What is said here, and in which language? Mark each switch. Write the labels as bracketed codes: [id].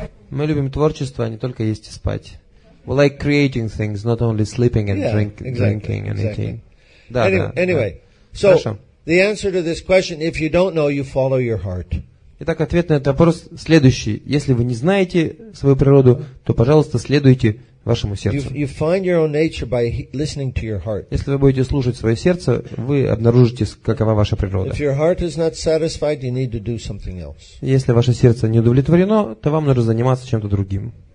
[ru] Мы любим творчество, а не только есть и спать. [en] We like creating things, not only sleeping and drinking and eating. [ru] Да, [en] anyway, [ru] да. [en] So, хорошо. The answer to this question, if you don't know, you follow your heart. [ru] Итак, ответ на этот вопрос следующий. Если вы не знаете свою природу, то, пожалуйста, следуйте вашему сердцу. [en] You find your own nature by listening to your heart. [ru] Если вы будете слушать свое сердце, вы обнаружите, какова ваша природа. [en] If your heart is not satisfied, you need to do something else. [ru] Если ваше сердце не удовлетворено, то вам нужно заниматься чем-то другим.